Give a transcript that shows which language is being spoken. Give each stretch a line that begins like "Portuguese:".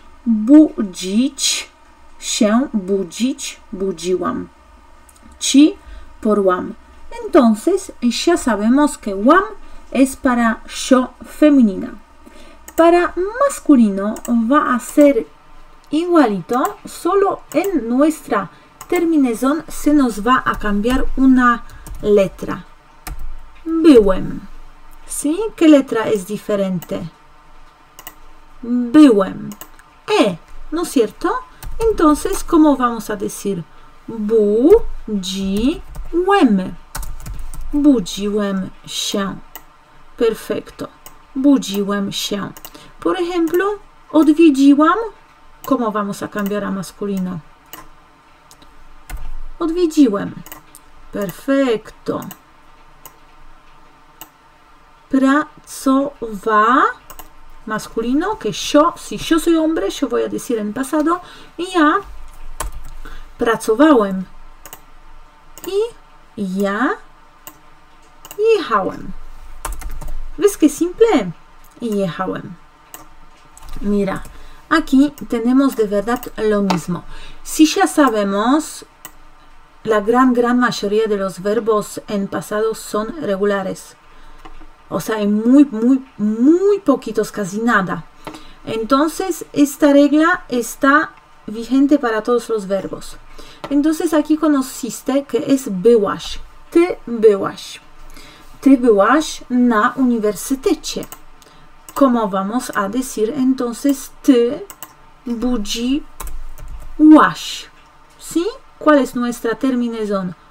Polish: Budzić, się budzić, budziłam. Ci por łam.
Spanish: Entonces, ya sabemos que łam es para yo femenina. Para masculino va a ser igualito, solo en nuestra terminación se nos va a cambiar una letra. Byłem. ¿Sí? ¿Qué letra es diferente? Byłem. E, ¿no es cierto? Entonces, ¿cómo vamos a decir?
Polish: Budziłem. Budziłem się. Perfecto. Budziłem się.
Spanish: Por ejemplo, odwiedziłam. ¿Cómo vamos a cambiar a masculino?
Polish: Odwiedziłem. Perfecto.
Spanish: Pracowa. Masculino, que yo, si yo soy hombre, yo voy a decir en pasado. Y ya. Pracowałem. Y ya. Jechałem. ¿Ves qué simple? Jechałem. Mira. Aquí tenemos de verdad lo mismo. Si ya sabemos, la gran mayoría de los verbos en pasado son regulares. O sea, hay muy poquitos, casi nada. Entonces, esta regla está vigente para todos los verbos. Entonces, aquí conociste que es byłaś.
Polish: Ty byłaś. Ty byłaś na uniwersytecie.
Spanish: ¿Cómo vamos a decir entonces
Polish: ty budziłaś?
Spanish: ¿Sí? ¿Cuál es nuestra terminación?